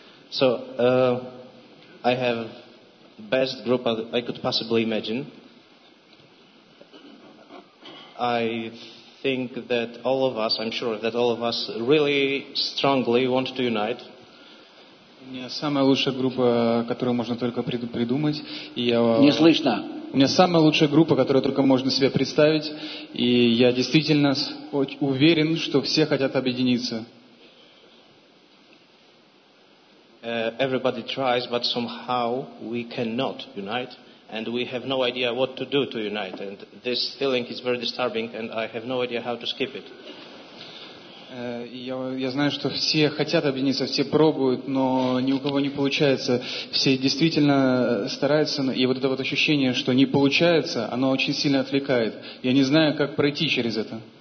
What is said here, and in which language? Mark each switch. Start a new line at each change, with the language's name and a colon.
English: So, I have the best group I could possibly imagine. I think that all of us, I'm sure that all of us really strongly want to unite.
Russian: У меня самая лучшая группа, которую можно только придумать. И я, не слышно. У меня самая лучшая группа, которую только можно себе представить. И я действительно уверен, что все хотят объединиться.
English: Everybody tries, but somehow we cannot unite. And we have no idea what to do to unite. And this feeling is very disturbing, and I have no idea how to skip it.
Russian: Я знаю, что все хотят объединиться, все пробуют, но ни у кого не получается. Все действительно стараются, и вот это вот ощущение, что не получается, оно очень сильно отвлекает. Я не знаю, как пройти через это.